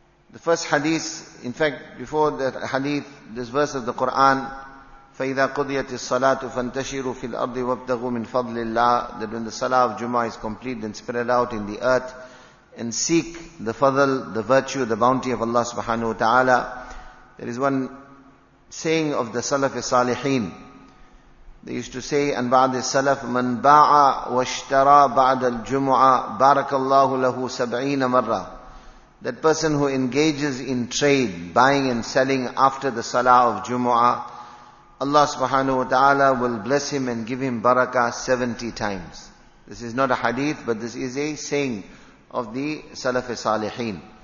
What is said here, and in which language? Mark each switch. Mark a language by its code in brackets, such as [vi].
[en] The first hadith, in fact, before that hadith, this verse of the Quran, [ar] فَإِذَا قُضِيَتِ الصَّلَاةُ فَانْتَشِرُوا فِي الْأَرْضِ وَابْتَغُوا مِنْ فَضْلِ اللَّهِ, [en] that when the salah of Jummah is complete, then spread out in the earth and seek the fadl, the virtue, the bounty of Allah subhanahu wa ta'ala. There is one saying of the Salaf al-Salihin. They used to say, and [ar] بعد السلف من باع واشترى بعد الجمعة بارك الله له سبعين مرة. [en] That person who engages in trade, buying and selling after the Salah of Jumu'ah, Allah subhanahu wa ta'ala will bless him and give him barakah 70 times. This is not a hadith, but this is a saying of the Salaf Salihin.